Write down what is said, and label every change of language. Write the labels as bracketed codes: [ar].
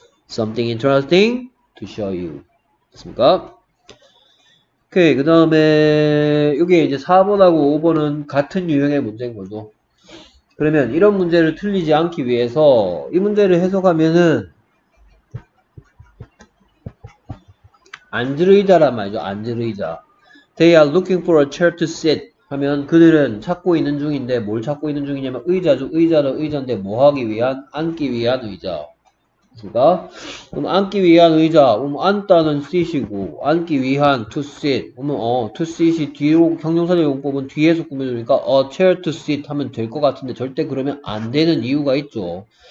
[en] something interesting to show you. [ko] 됐습니까? 오케이. 그 다음에, 이게 이제 4번하고 5번은 같은 유형의 문제인 거죠. 그러면 이런 문제를 틀리지 않기 위해서 이 문제를 해석하면은, 앉으의자란 말이죠. 앉으의자. [en] They are looking for a chair to sit. [ko] 하면 그들은 찾고 있는 중인데 뭘 찾고 있는 중이냐면 의자죠. 의자는 의자인데 뭐 하기 위한? 앉기 위한 의자. 그러니까 그럼 앉기 위한 의자. 그럼 앉다는 sit이고 앉기 위한 to sit. 그러면 to sit이 뒤로 형용사적 용법은 뒤에서 꾸며주니까 [en] a chair to sit [ko] 하면 될것 같은데 절대 그러면 안 되는 이유가 있죠.